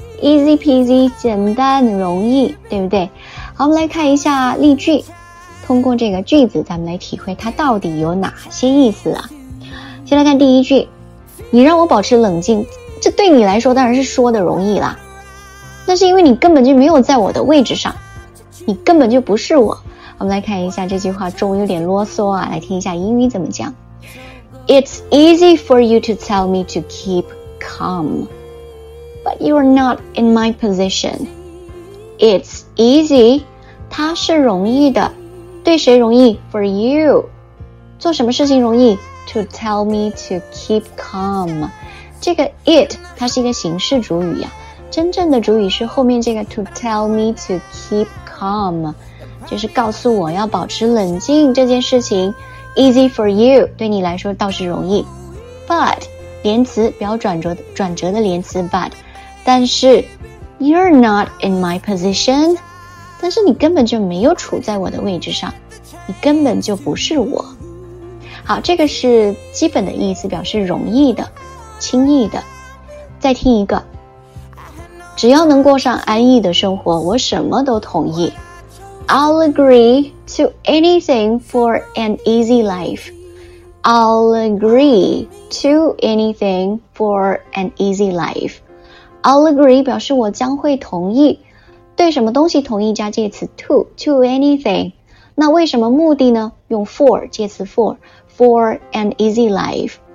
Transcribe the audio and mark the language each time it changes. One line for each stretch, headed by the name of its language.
English: easy peasy
Chinese: 简单容易，对不对？好，我们来看一下例句，通过这个句子咱们来体会它到底有哪些意思啊。先来看第一句，你让我保持冷静，这对你来说当然是说的容易啦，那是因为你根本就没有在我的位置上，你根本就不是我。我们来看一下这句话中文有点啰嗦啊，来听一下英语怎么讲。
English: It's easy for you to tell me to keep calm, but you're not in my position. It's easy,
Chinese: 它是容易的，对谁容易？
English: For you.
Chinese: 做什么事情容易？
English: To tell me to keep calm.
Chinese: 这个 it 它是一个形式主语呀、真正的主语是后面这个
English: to tell me to keep calm,
Chinese: 就是告诉我要保持冷静这件事情。
English: Easy for you,
Chinese: 对你来说倒是容易。But, 连词表转折的连词 but, 但是
English: you're not in my position,
Chinese: 但是你根本就没有处在我的位置上，你根本就不是我。好，这个是基本的意思，表示容易的，轻易的。再听一个，只要能过上安逸的生活，我什么都同意。
English: I'll agree to anything for an easy life. I'll agree to anything for an easy life. I'll agree
Chinese: 表示我将会同意，对什么东西同意加介词
English: to anything.
Chinese: 那为什么目的呢？用
English: for
Chinese: 介词
English: for an easy life.